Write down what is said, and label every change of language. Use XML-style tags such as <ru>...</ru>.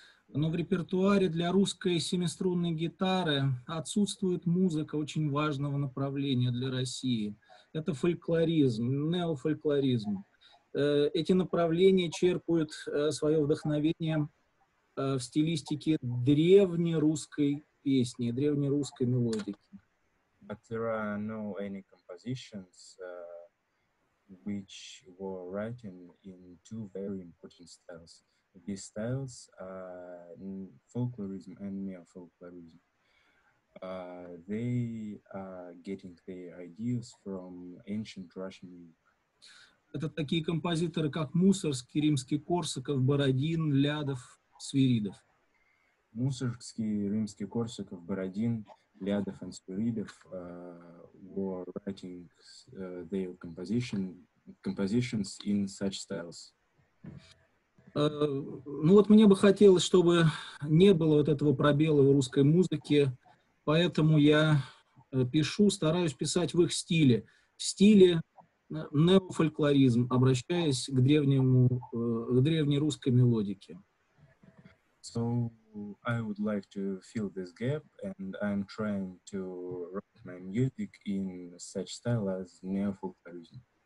<ru>Но в репертуаре для русской семиструнной гитары отсутствует музыка очень важного направления для России. Это фольклоризм, неофольклоризм. Эти направления черпают свое вдохновение в стилистике древнерусской песни, древнерусской мелодики.</ru> <en>But there are no any compositions which were written in two very important styles. These styles are folklorism and neofolklorism. They are getting their ideas from ancient Russian music.</en> <ru>Это такие композиторы, как Мусоргский, Римский-Корсаков, Бородин, Лядов, Свиридов.</ru> <en>Мусоргский, Римский-Корсаков, Бородин, Лядов and Свиридов were writing their compositions in such styles.</en> <ru>Ну вот мне бы хотелось, чтобы не было вот этого пробела в русской музыке, поэтому я пишу, стараюсь писать в их стиле, в стиле неофольклоризм, обращаясь к древнему, к древнерусской мелодике.</ru> <en>So I would like to fill this gap, and I'm trying to write my music in such style as neofolklorism.</en>